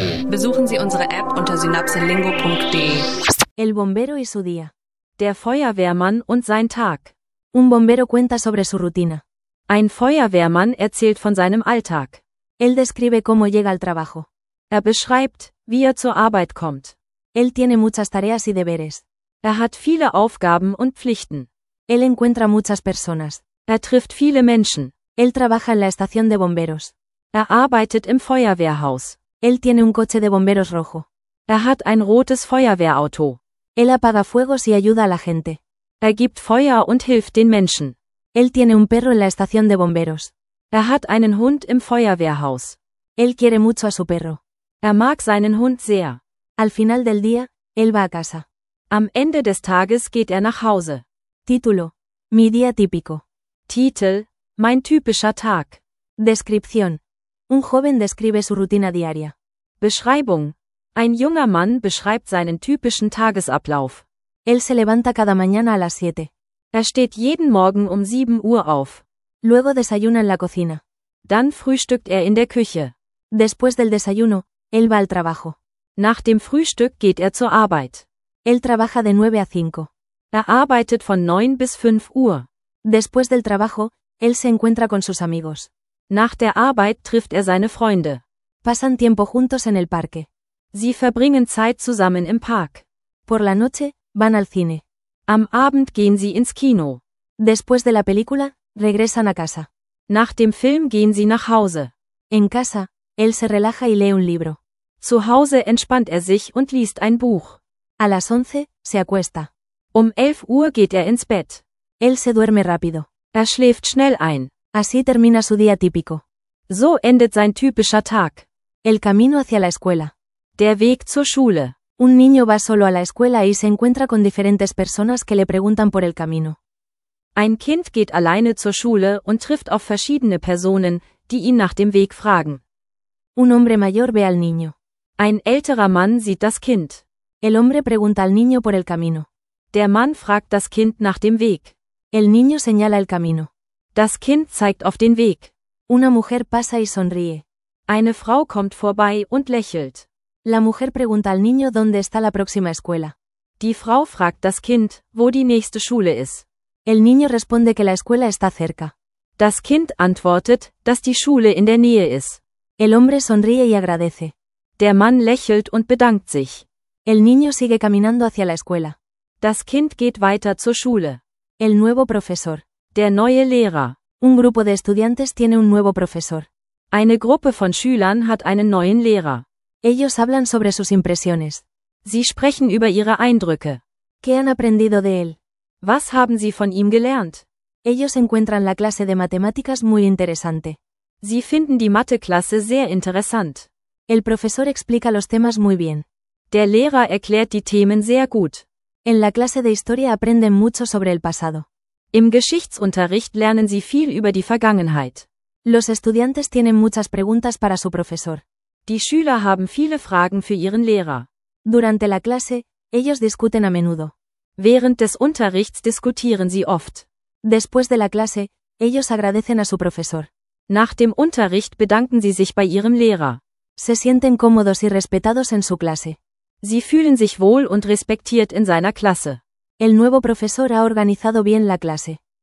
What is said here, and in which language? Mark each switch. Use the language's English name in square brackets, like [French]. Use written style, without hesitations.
[German] Besuchen Sie unsere App unter synapselingo.de. [Spanish] El bombero y su día. [German] Der Feuerwehrmann und sein Tag. [Spanish] Un bombero cuenta sobre su rutina. [German] Ein Feuerwehrmann erzählt von seinem Alltag. [Spanish] Él describe cómo llega al trabajo. [German] Er beschreibt, wie er zur Arbeit kommt. [Spanish] Él tiene muchas tareas y deberes. [German] Er hat viele Aufgaben und Pflichten. [Spanish] Él encuentra muchas personas. [German] Er trifft viele Menschen. [Spanish] Él trabaja en la estación de bomberos. [German] Er arbeitet im Feuerwehrhaus. [Spanish] Él tiene un coche de bomberos rojo. [German] Er hat ein rotes Feuerwehrauto. [Spanish] Él apaga fuegos y ayuda a la gente. [German] Er gibt Feuer und hilft den Menschen. [Spanish] Él tiene un perro en la estación de bomberos. [German] Er hat einen Hund im Feuerwehrhaus. [Spanish] Él quiere mucho a su perro. [German] Er mag seinen Hund sehr. [Spanish] Al final del día, él va a casa. [German] Am Ende des Tages geht er nach Hause. [Spanish] Título: Mi día típico. [German] Titel: Mein typischer Tag. [Spanish] Descripción: Un joven describe su rutina diaria. [German] Beschreibung: Ein junger Mann beschreibt seinen typischen Tagesablauf. [Spanish] Él se levanta cada mañana a las 7. [German] Er steht jeden Morgen um 7 Uhr auf. [Spanish] Luego desayuna en la cocina. [German] Dann frühstückt er in der Küche. [Spanish] Después del desayuno, él va al trabajo. [German] Nach dem Frühstück geht er zur Arbeit. [Spanish] Él trabaja de 9 a 5. [German] Er arbeitet von 9 bis 5 Uhr. [Spanish] Después del trabajo, él se encuentra con sus amigos. [German] Nach der Arbeit trifft er seine Freunde. [Spanish] Pasan tiempo juntos en el parque. [German] Sie verbringen Zeit zusammen im Park. [Spanish] Por la noche, van al cine. [German] Am Abend gehen sie ins Kino. [Spanish] Después de la película, regresan a casa. [German] Nach dem Film gehen sie nach Hause. [Spanish] En casa, él se relaja y lee un libro. [German] Zu Hause entspannt er sich und liest ein Buch. [Spanish] A las 11, se acuesta. [German] Um 11 Uhr geht er ins Bett. [Spanish] Él se duerme rápido. [German] Er schläft schnell ein. [Spanish] Así termina su día típico. [German] So endet sein typischer Tag. [Spanish] El camino hacia la escuela. [German] Der Weg zur Schule. [Spanish] Un niño va solo a la escuela y se encuentra con diferentes personas que le preguntan por el camino. [German] Ein Kind geht alleine zur Schule und trifft auf verschiedene Personen, die ihn nach dem Weg fragen. [Spanish] Un hombre mayor ve al niño. [German] Ein älterer Mann sieht das Kind. [Spanish] El hombre pregunta al niño por el camino. [German] Der Mann fragt das Kind nach dem Weg. [Spanish] El niño señala el camino. [German] Das Kind zeigt auf den Weg. [Spanish] Una mujer pasa y sonríe. [German] Eine Frau kommt vorbei und lächelt. [Spanish] La mujer pregunta al niño dónde está la próxima escuela. [German] Die Frau fragt das Kind, wo die nächste Schule ist. [Spanish] El niño responde que la escuela está cerca. [German] Das Kind antwortet, dass die Schule in der Nähe ist. [Spanish] El hombre sonríe y agradece. [German] Der Mann lächelt und bedankt sich. [Spanish] El niño sigue caminando hacia la escuela. [German] Das Kind geht weiter zur Schule. [Spanish] El nuevo profesor. [German] Der neue Lehrer. [Spanish] Un grupo de estudiantes tiene un nuevo profesor. [German] Eine Gruppe von Schülern hat einen neuen Lehrer. [Spanish] Ellos hablan sobre sus impresiones. [German] Sie sprechen über ihre Eindrücke. [Spanish] ¿Qué han aprendido de él? [German] Was haben sie von ihm gelernt? [Spanish] Ellos encuentran la clase de matemáticas muy interesante. [German] Sie finden die Mathe-Klasse sehr interessant. [Spanish] El profesor explica los temas muy bien. [German] Der Lehrer erklärt die Themen sehr gut. [Spanish] En la clase de historia aprenden mucho sobre el pasado. [German] Im Geschichtsunterricht lernen sie viel über die Vergangenheit. [Spanish] Los estudiantes tienen muchas preguntas para su profesor. [German] Die Schüler haben viele Fragen für ihren Lehrer. [Spanish] Durante la clase, ellos discuten a menudo. [German] Während des Unterrichts diskutieren sie oft. [Spanish] Después de la clase, ellos agradecen a su profesor. [German] Nach dem Unterricht bedanken sie sich bei ihrem Lehrer. [Spanish] Se sienten cómodos y respetados en su clase. [German] Sie fühlen sich wohl und respektiert in seiner Klasse. [Spanish] El nuevo profesor ha organizado bien la clase.